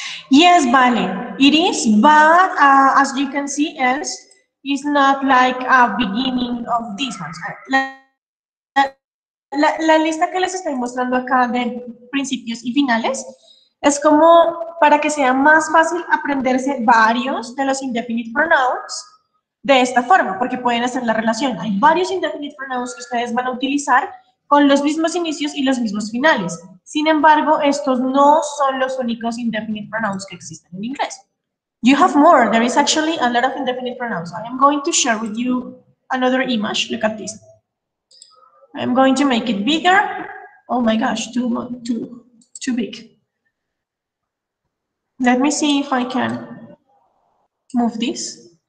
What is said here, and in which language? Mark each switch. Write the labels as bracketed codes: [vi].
[en] Yes, Vale, it is, but as you can see, else is not like a beginning of these ones. [es] La lista que les estoy mostrando acá de principios y finales es como para que sea más fácil aprenderse varios de los indefinite pronouns de esta forma, porque pueden hacer la relación. Hay varios indefinite pronouns que ustedes van a utilizar con los mismos inicios y los mismos finales. Sin embargo, estos no son los únicos indefinite pronouns que existen en inglés. [en] You have more. There is actually a lot of indefinite pronouns. I am going to share with you another image. Look at this. I am going to make it bigger. Oh my gosh, too big. Let me see if I can move this.